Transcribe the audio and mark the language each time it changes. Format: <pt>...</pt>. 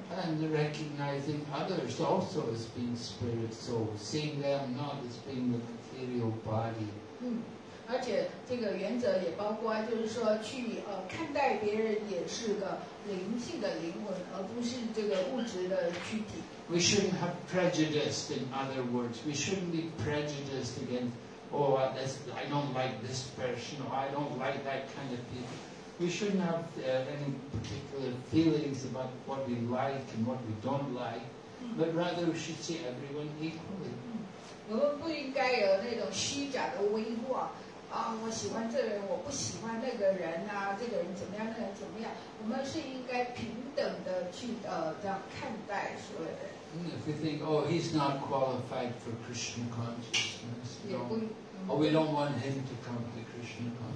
<en>And recognizing others also as being spirit souls, seeing them not as being the material body.</en> <zh>嗯，而且这个原则也包括，就是说去看待别人也是个灵性的灵魂，而不是这个物质的躯体。</zh> <en>We shouldn't have prejudice. In other words, we shouldn't be prejudiced against. I don't like this person, or I don't like that kind of people. We shouldn't have any particular feelings about what we like and what we don't like, but rather we should see everyone equally.</en> <zh>我们不应该有那种虚假的威望，啊，我喜欢这人，我不喜欢那个人啊，这个人怎么样，那个人怎么样。我们是应该平等的去这样看待所有的。</zh> <en>If we think, oh, he's not qualified for Krishna consciousness, or we don't want him to come to Krishna</en>